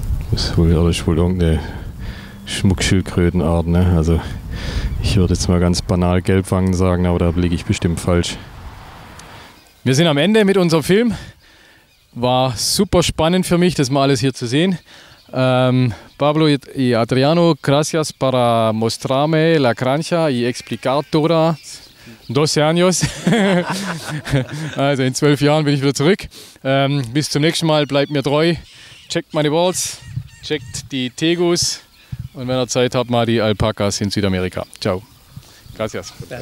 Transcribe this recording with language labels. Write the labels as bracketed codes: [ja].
[de] Das ist wohl irgendeine Schmuckschildkrötenart. Ne? Also ich würde jetzt mal ganz banal Gelbwangen sagen, aber da liege ich bestimmt falsch. Wir sind am Ende mit unserem Film. War super spannend für mich, das mal alles hier zu sehen. [es] Pablo y Adriano, gracias para mostrarme la cancha y explicar toda 12 años. [de] Also in 12 Jahren bin ich wieder zurück. Bis zum nächsten Mal, bleibt mir treu. Checkt meine Balls, checkt die Tegus und wenn ihr Zeit habt, mal die Alpakas in Südamerika. Ciao. Gracias.